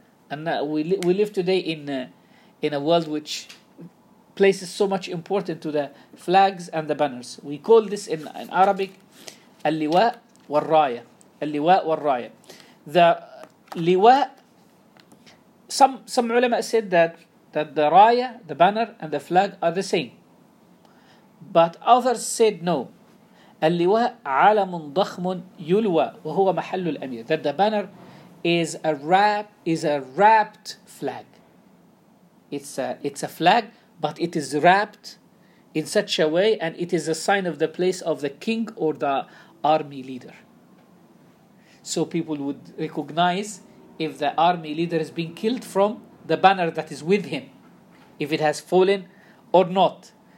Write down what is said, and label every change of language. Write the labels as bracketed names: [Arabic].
[English] And we live today in a world which places so much importance to the flags and the banners. We call this in Arabic, al-liwa wal-raya. Al-liwa wal-raya. The liwa, some ulama said that the raya, the banner, and the flag are the same. But others said no. [Arabic] اللواء علم ضخم يلوى وهو محل الأمير. [English] That the banner is a wrapped flag. It's a flag, but it is wrapped in such a way, and it is a sign of the place of the king or the army leader. So people would recognize if the army leader has been killed from the banner that is with him, if it has fallen or not.